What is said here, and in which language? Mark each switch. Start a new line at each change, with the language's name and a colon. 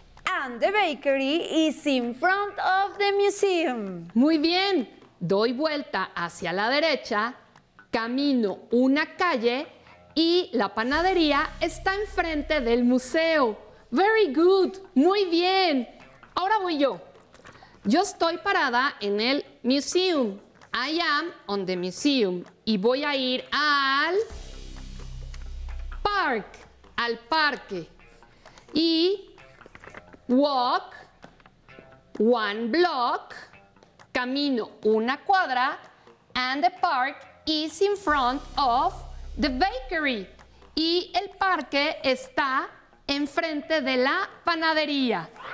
English: And the bakery is in front of the museum.
Spanish: Muy bien. Doy vuelta hacia la derecha, camino una calle y la panadería está enfrente del museo.
English: Very good.
Spanish: Muy bien. Ahora voy yo. Yo estoy parada en el museum.
English: I am on the museum.
Spanish: Y voy a ir al park, al parque.
English: Y walk one block,
Spanish: camino una cuadra,
English: and the park is in front of the bakery.
Spanish: Y el parque está enfrente de la panadería.